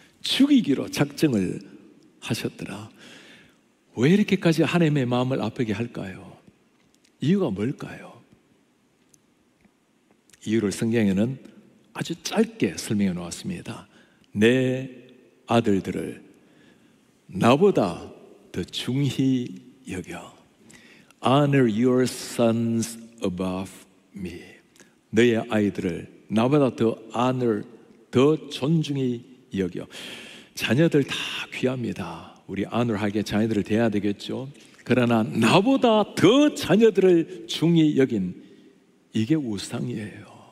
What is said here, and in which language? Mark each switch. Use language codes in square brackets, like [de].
[ko] 죽이기로 작정을 하셨더라. 왜 이렇게까지 하나님의 마음을 아프게 할까요? 이유가 뭘까요? 이유를 성경에는 아주 짧게 설명해 놓았습니다. 내 아들들을 나보다 더 중히 여겨. [en] Honor your sons above me. [ko] 너의 아이들을 나보다 더 honor, 더 존중히 여겨. 자녀들 다 귀합니다. 우리 안울하게 자녀들을 대해야 되겠죠. 그러나 나보다 더 자녀들을 중히 여긴 이게 우상이에요.